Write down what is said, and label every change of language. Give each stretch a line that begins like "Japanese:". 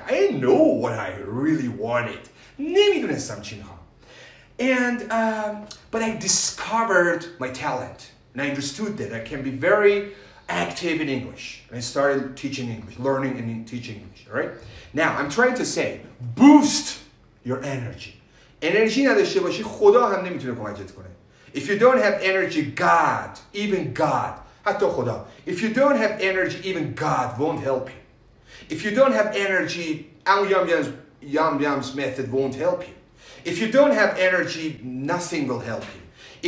English: I didn't know what I really wanted.
Persian: نمیدونستم چی میخوام.
English: And, but I discovered my talent. And I understood that I can be very active in English. And I started teaching English, learning and teaching English, right? Now, I'm trying to say, boost your energy.
Persian: انرژی نداشته باشی خدا هم نمیتونه کمکت کنه.
English: If you don't have energy, God, even God,
Persian: حتی خدا.
English: If you don't have energy, even God won't help you. If you don't have energy, Yum Yum's method won't help you. If you don't have energy, nothing will help you.